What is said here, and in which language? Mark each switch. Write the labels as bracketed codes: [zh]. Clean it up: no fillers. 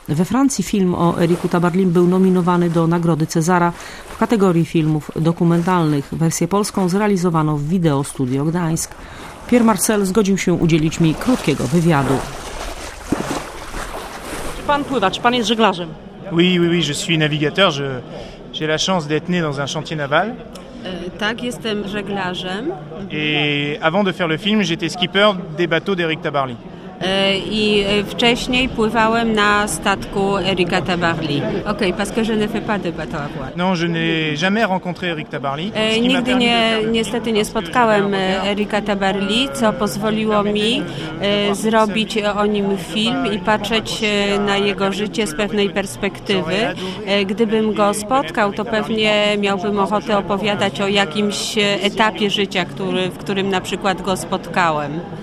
[pl] We Francji film o Ericu Tabarlim był nominowany do Nagrody Cezara w kategorii filmów dokumentalnych. Wersję polską zrealizowano w Video Studio Gdańsk. Pierre Marcel zgodził się udzielić mi krótkiego wywiadu. Pan pływa, czy pan jest żeglarzem? [fr] Oui, je suis navigateur. J'ai la chance d'être né dans un chantier naval. [pl] Tak, jestem żeglarzem. [fr] Et avant de faire le film, j'étais skipper des bateaux d'Eric Tabarly. [pl] I wcześniej pływałem na statku Erika Tabarly. [fr] Ok, parce que je ne fais pas de bateau à voile. Non, je n'ai jamais rencontré Eric Tabarly. [pl] Nigdy nie, niestety nie spotkałem Erika Tabarly, co pozwoliło mi zrobić o nim film i patrzeć na jego życie z pewnej perspektywy. Gdybym go spotkał, to pewnie miałbym ochotę opowiadać o jakimś etapie życia, w którym na przykład go spotkałem.